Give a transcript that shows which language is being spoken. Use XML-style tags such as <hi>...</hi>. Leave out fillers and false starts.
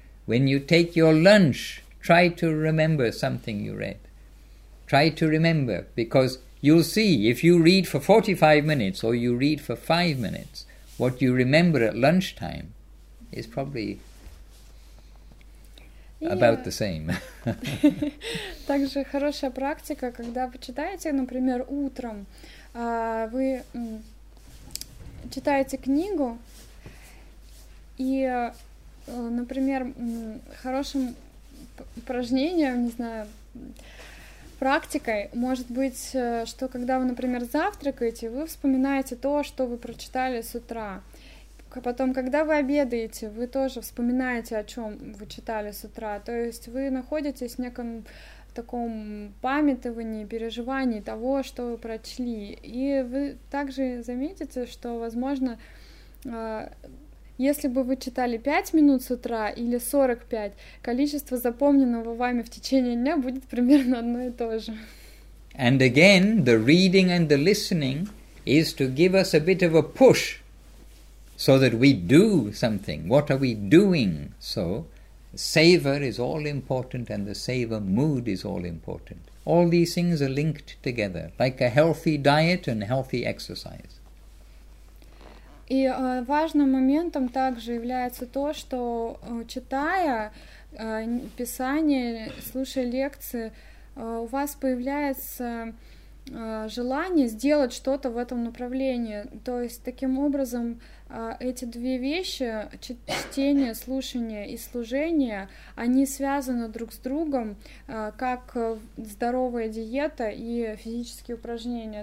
<en>When you take your lunch, try to remember something you read. Try to remember, because you'll see, if you read for 45 minutes or you read for 5 minutes, what you remember at lunchtime is probably about the same.</en> <ru>Также хорошая практика, когда вы читаете, например, утром, вы читаете книгу, и, например, хорошим упражнением, не знаю, практикой может быть, что когда вы, например, завтракаете, вы вспоминаете то, что вы прочитали с утра. Потом, когда вы обедаете, вы тоже вспоминаете, о чем вы читали с утра. То есть вы находитесь в неком таком памятовании, переживании того, что вы прочли. И вы также заметите, что, возможно, если бы вы читали 5 минут с утра или 45, количество запомненного вами в течение дня будет примерно одно и то же.</ru> <en>And again, the reading and the listening is to give us a bit of a push so that we do something. What are we doing? So, savor is all important and the savor mood is all important. All these things are linked together, like a healthy diet and healthy exercise.</en> <ru>И важным моментом также является то, что читая Писание, слушая лекции, у вас появляется желание сделать что-то в этом направлении. То есть таким образом эти две вещи, чтение, слушание и служение, они связаны друг с другом, как здоровая диета и физические упражнения.</ru>